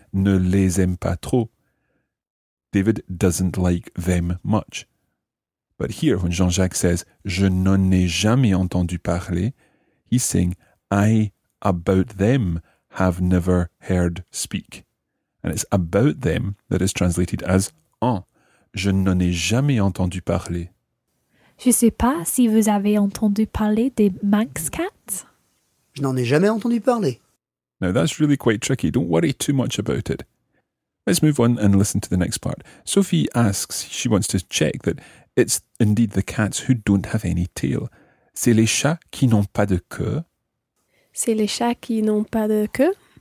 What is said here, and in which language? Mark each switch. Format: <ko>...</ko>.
<fr>Ne les aime pas trop.</fr> <en>David doesn't like them much. But here, when Jean-Jacques says,</en> <fr>je n'en ai jamais entendu parler,</fr> <en>he's saying, I, about them, have never heard speak. And it's about them that is translated as en.</en> <fr>Je n'en ai jamais entendu parler. Je ne sais pas si vous avez entendu parler des Manx cats. Je n'en ai jamais entendu parler.</fr> <en>Now that's really quite tricky. Don't worry too much about it. Let's move on and listen to the next part. Sophie asks, she wants to check that it's indeed the cats who don't have any tail.</en> <fr>C'est les chats qui n'ont pas de queue. C'est les chats qui n'ont pas de queue.</fr>